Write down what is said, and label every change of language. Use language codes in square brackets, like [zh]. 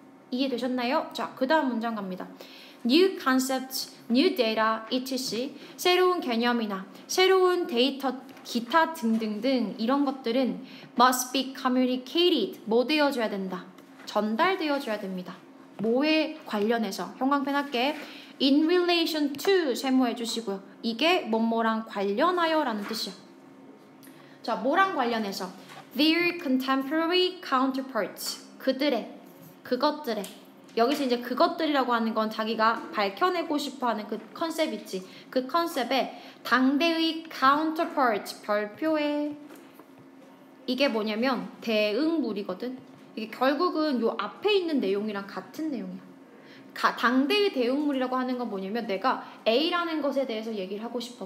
[ko] 이해되셨나요? 자, 그 다음 문장 갑니다. [en] New concepts, new data, etc. [ko] 새로운 개념이나 새로운 데이터 기타 등등등 이런 것들은 [en] must be communicated, [ko] 뭐 되어줘야 된다? 전달되어줘야 됩니다. 뭐에 관련해서? 형광펜 할게. [en] In relation to [ko] 세모해주시고요. 이게 뭐뭐랑 관련하여 라는 뜻이야. 자, 뭐랑 관련해서? [en] Their contemporary counterparts, [ko] 그들의, 그것들의. 여기서 이제 그것들이라고 하는 건 자기가 밝혀내고 싶어하는 그 컨셉 있지. 그 컨셉에 당대의 counterparts, 별표에 이게 뭐냐면 대응물이거든. 이게 결국은 요 앞에 있는 내용이랑 같은 내용이야. 당대의 대응물이라고 하는 건 뭐냐면 내가 A라는 것에 대해서 얘기를 하고 싶어.